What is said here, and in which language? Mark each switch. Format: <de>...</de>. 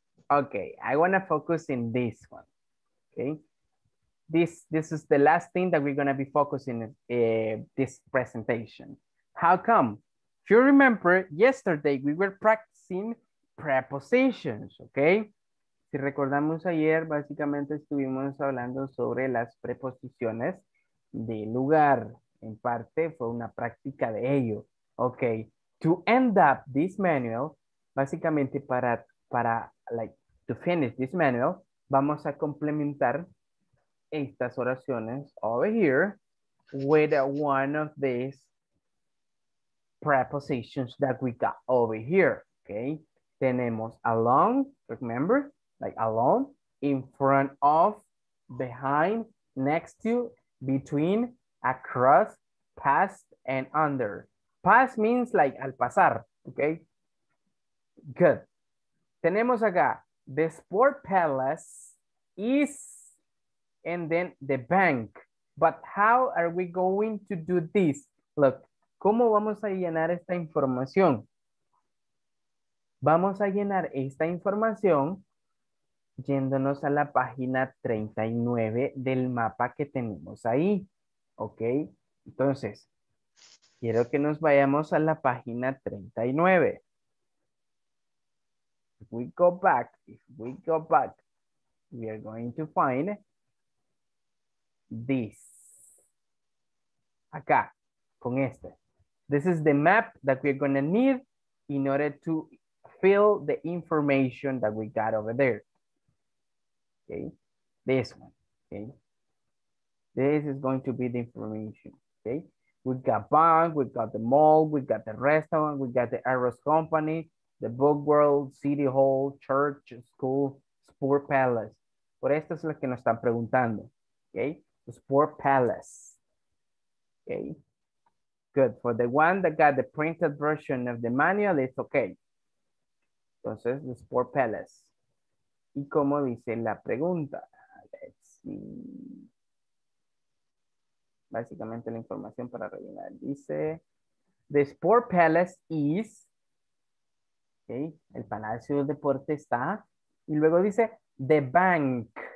<en>Okay, I wanna focus in this one, okay? this is the last thing that we're going to be focusing on this presentation. How come? If you remember, yesterday we were practicing prepositions, okay?</en> <es>Si recordamos ayer, básicamente estuvimos hablando sobre las preposiciones de lugar. En parte fue una práctica de ello, okay?</es> <en>To end up this manual,</en> <es>básicamente para</es> <en>like, to finish this manual,</en> <es>vamos a complementar estas oraciones</es> <en>over here with one of these prepositions that we got over here, okay?</en> <es>Tenemos along, remember, like along, in front of, behind, next to, between, across, past, and under.</es> <en>Past means like al pasar, okay? Good.</en> <es>Tenemos acá,</es> <en>the sport palace is, and then the bank. But how are we going to do this?</en> <es>Look, ¿cómo vamos a llenar esta información? Vamos a llenar esta información yéndonos a la página 39 del mapa que tenemos ahí, ¿ok? Entonces, quiero que nos vayamos a la página 39.</es> <en>If we go back, we are going to find this.</en> <es>Acá, con este.</es> <en>This is the map that we're going to need in order to fill the information that we got over there. Okay, this one, okay. This is going to be the information, okay. We got bank, we got the mall, we got the restaurant, we got the arrows company, the book world, city hall, church, school, sport palace.</en> <es>Por esto es lo que nos están preguntando, okay.</es> <en>The sport palace, okay. Good, for the one that got the printed version of the manual, it's okay.</en> <es>Entonces, the sport palace. ¿Y cómo dice la pregunta?</es> <en>Let's see.</en> <es>Básicamente la información para rellenar. Dice,</es> <en>the sport palace is,</en> <es>okay, el palacio del deporte está, y luego dice, the bank.</es>